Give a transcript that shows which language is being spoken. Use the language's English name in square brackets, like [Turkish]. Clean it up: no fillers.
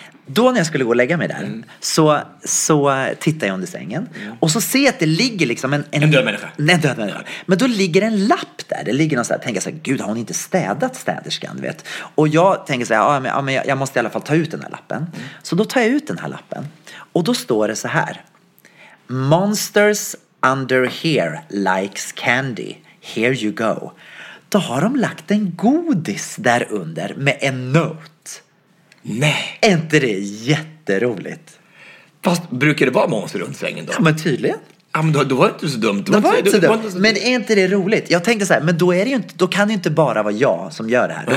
[Swedish] Då när jag skulle gå och lägga mig där, så tittar jag under sängen. Mm. Och så ser jag att det ligger liksom en död människa. Nej, en död människa. Men då ligger en lapp där. Det ligger någon så här, tänker så här, gud, har hon inte städat städerskan, vet? Och jag tänker så här, men jag måste i alla fall ta ut den här lappen. Mm. Så då tar jag ut den här lappen. Och då står det så här. [English] Monsters under here likes candy. Here you go. [Swedish] Då har de lagt en godis där under med en note. Nej. Är inte det jätteroligt? Fast brukar det vara monster runt sängen då? Ja, men tydligen. Ja, men då var det inte så dumt. Men är inte det roligt? Jag tänkte så här, men då kan det ju inte bara vara jag som gör det här. Nej.